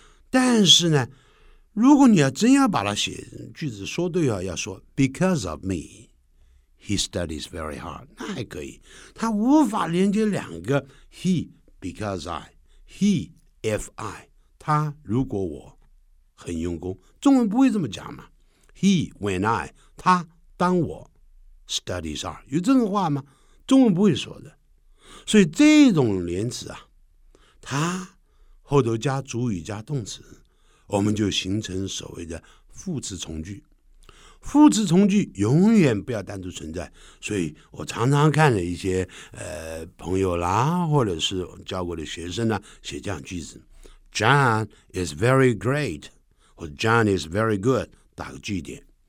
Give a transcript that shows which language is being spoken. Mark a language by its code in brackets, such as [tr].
[zh] 但是呢，如果你要真要把它写句子说对啊，要说 [en] because of me he studies very hard， [zh] 那还可以，他无法连接两个 [en] he because I he if I [zh] 他如果我很用功，中文不会这么讲嘛。 [en] he when I [zh] 他当我 [en] studies hard， [zh] 有这种话吗？中文不会说的。所以这种连词啊，他后头加主语加动词，我们就形成所谓的副词从句。副词从句永远不要单独存在，所以我常常看了一些朋友啦，或者是教过的学生呢，写这样句子 [en] John is very great [zh] 或 [en] John is very good， [zh] 打个句点。